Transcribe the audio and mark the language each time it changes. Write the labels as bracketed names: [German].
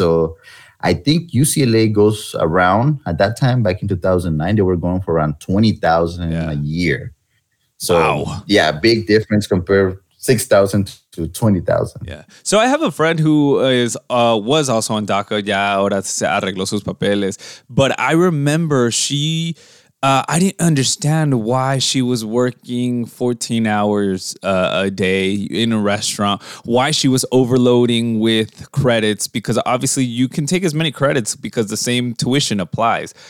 [English] So I think UCLA goes around, at that time, back in 2009, they were going for around $20,000 a year. So, big difference compared $6,000 to $20,000. Yeah. So I have a friend who was also on DACA. [Spanish] Ya ahora se arregló sus papeles. [English] But I remember I didn't understand why she was working 14 hours a day in a restaurant, why she was overloading with credits, because obviously you can take as many credits because the same tuition applies.